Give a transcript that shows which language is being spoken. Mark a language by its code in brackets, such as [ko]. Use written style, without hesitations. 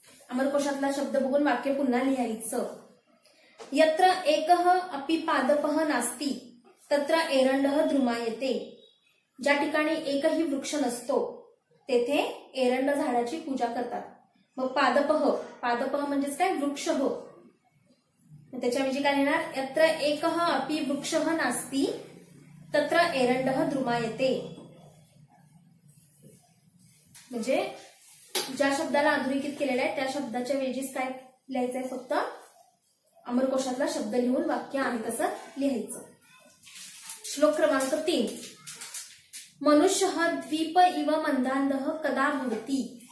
[mr] अमरकोशातला शब्द बघून वाक्य पुन्हा लिहायचं. [sa] यत्र एकह अपि पादपह नास्ती तत्र एरंडह द्रुमायते. [mr] ज्या ठिकाणी एकही वृक्ष नसतो तेथे एरंड झाडाची पूजा करतात. मग पादपह, पादपह म्हणजेच काय? वृक्ष हो. [sa] यत्र एकः अपि वृक्षः नास्ति तत्र एरंडः द्रुमायते। [mr] म्हणजे ज्या शब्दाला अधोरेखित केलेला आहे त्या शब्दाच्या वेजीस काय लिहायचं आहे, फक्त अमरकोशातला शब्द लिहून वाक्य आहे तसं लिहायचं। श्लोक क्रमांक 3, [sa] मनुष्यः द्वीप इव मंदांधः कदा भवति।